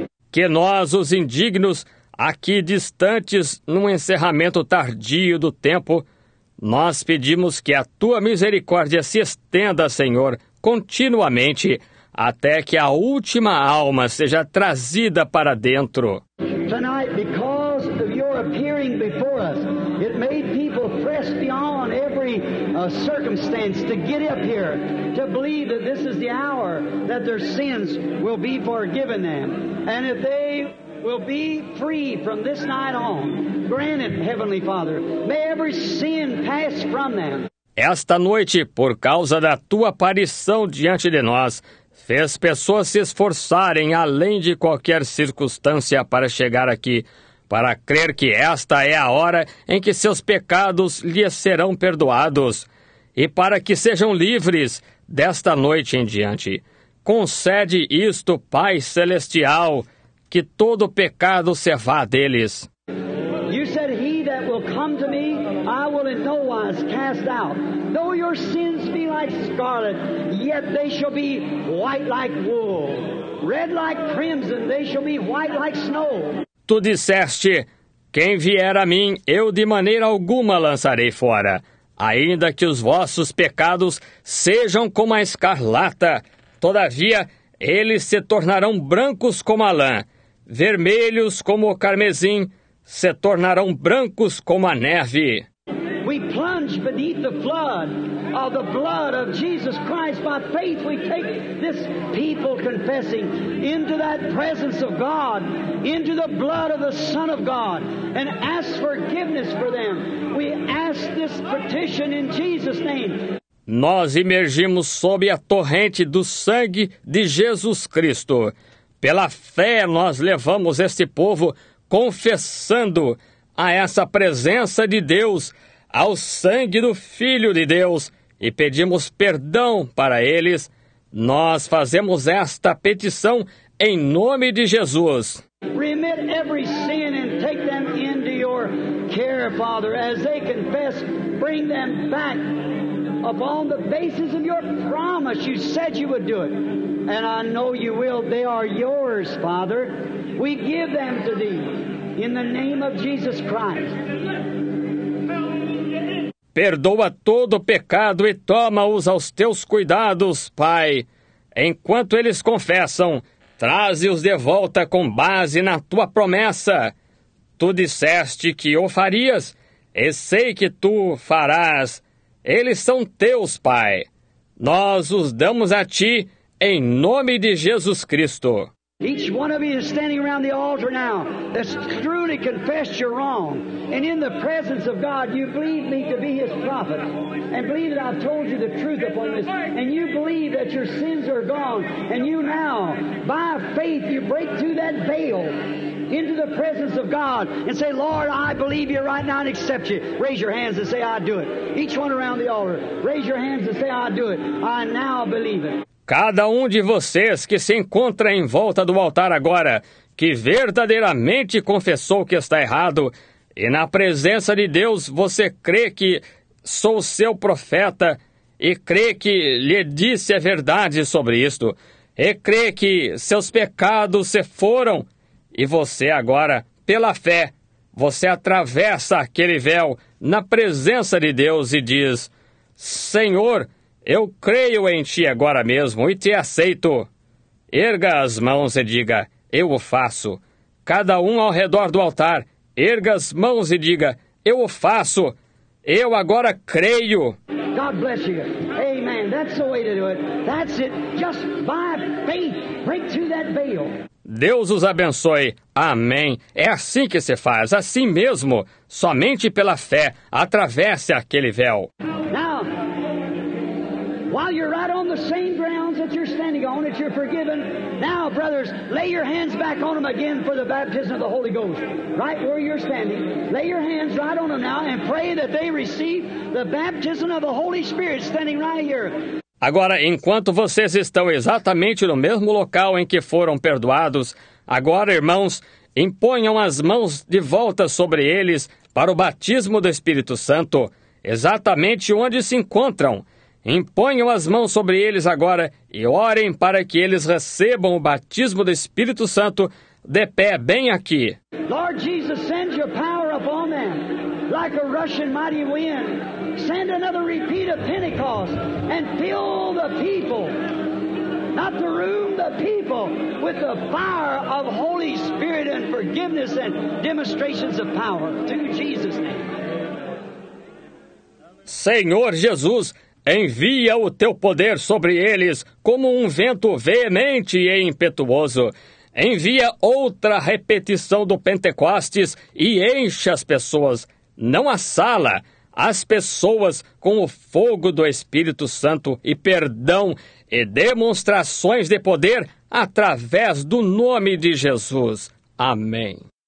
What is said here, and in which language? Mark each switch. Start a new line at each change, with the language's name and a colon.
Portuguese: Que nós, os indignos, aqui distantes, num encerramento tardio do tempo, nós pedimos que a tua misericórdia se estenda, Senhor, continuamente, até que a última alma seja trazida para dentro.
English: Tonight, because of your appearing before us, it made people press beyond every circumstance to get up here, to believe that this is the hour that their sins will be forgiven them, and that they will be free from this night on. Grant it, Heavenly Father, may every sin pass from them.
Portuguese: Esta noite, por causa da tua aparição diante de nós, fez pessoas se esforçarem além de qualquer circunstância para chegar aqui, para crer que esta é a hora em que seus pecados lhes serão perdoados, e para que sejam livres desta noite em diante. Concede isto, Pai Celestial, que todo pecado se vá deles.
English: You said, he that will come to me, I will in no wise cast out. Though your sins be like scarlet, yet they shall be white like wool. Red like crimson, they shall be white like snow.
Portuguese: Tu disseste, quem vier a mim, eu de maneira alguma lançarei fora. Ainda que os vossos pecados sejam como a escarlata, todavia eles se tornarão brancos como a lã, vermelhos como o carmesim, se tornarão brancos como a neve.
English: We plunge beneath the flood of the blood of Jesus Christ. By faith we take this people confessing into that presence of God, into the blood of the Son of God, and ask forgiveness for them. We ask this petition in Jesus' name.
Portuguese: Nós emergimos sob a torrente do sangue de Jesus Cristo. Pela fé nós levamos este povo confessando a essa presença de Deus, ao sangue do Filho de Deus, e pedimos perdão para eles. Nós fazemos esta petição em nome de Jesus.
English: Remit every sin and take them into your care, Father. As they confess, bring them back upon the basis of your promise. You said you would do it, and I know you will. They are yours, Father. We give them to thee in the name of Jesus Christ.
Portuguese: Perdoa todo pecado e toma-os aos teus cuidados, Pai. Enquanto eles confessam, traze-os de volta com base na tua promessa. Tu disseste que o farias, e sei que tu farás. Eles são teus, Pai. Nós os damos a ti em nome de Jesus Cristo.
English: Each one of you is standing around the altar now that's truly confessed your wrong. And in the presence of God, you believe me to be his prophet. And believe that I've told you the truth upon this. And you believe that your sins are gone. And you now, by faith, you break through that veil into the presence of God and say, Lord, I believe you right now and accept you. Raise your hands and say, I do it. Each one around the altar, raise your hands and say, I do it. I now believe it.
Portuguese: Cada de vocês que se encontra em volta do altar agora, que verdadeiramente confessou que está errado, e na presença de Deus você crê que sou seu profeta, e crê que lhe disse a verdade sobre isto, e crê que seus pecados se foram, e você agora, pela fé, você atravessa aquele véu na presença de Deus e diz, Senhor, eu creio em ti agora mesmo e te aceito. Erga as mãos e diga, eu o faço. Cada ao redor do altar, erga as mãos e diga, eu o faço. Eu agora creio.
English: God bless you. Amen. That's the way to do it. That's it. Just by faith, break through that veil.
Portuguese: Deus os abençoe. Amém. É assim que se faz, assim mesmo. Somente pela fé, atravesse aquele véu.
English: While you're right on the same grounds that you're standing on, that you're forgiven, now, brothers, lay your hands back on them again for the baptism of the Holy Ghost, right where you're standing. Lay your hands right on them now and pray that they receive the baptism of the Holy Spirit standing right here.
Portuguese: Agora, enquanto vocês estão exatamente no mesmo local em que foram perdoados, agora, irmãos, imponham as mãos de volta sobre eles para o batismo do Espírito Santo, exatamente onde se encontram. Imponham as mãos sobre eles agora e orem para que eles recebam o batismo do Espírito Santo de pé bem aqui.
English: Lord Jesus, send your power upon them like a rushing mighty wind. Send another repeat of Pentecost and fill the people, not the room, the people, with the fire of Holy Spirit and forgiveness and demonstrations of power. To Jesus' name.
Portuguese: Senhor Jesus, envia o teu poder sobre eles como um vento veemente e impetuoso. Envia outra repetição do Pentecostes e enche as pessoas, não a sala, as pessoas com o fogo do Espírito Santo e perdão e demonstrações de poder através do nome de Jesus. Amém.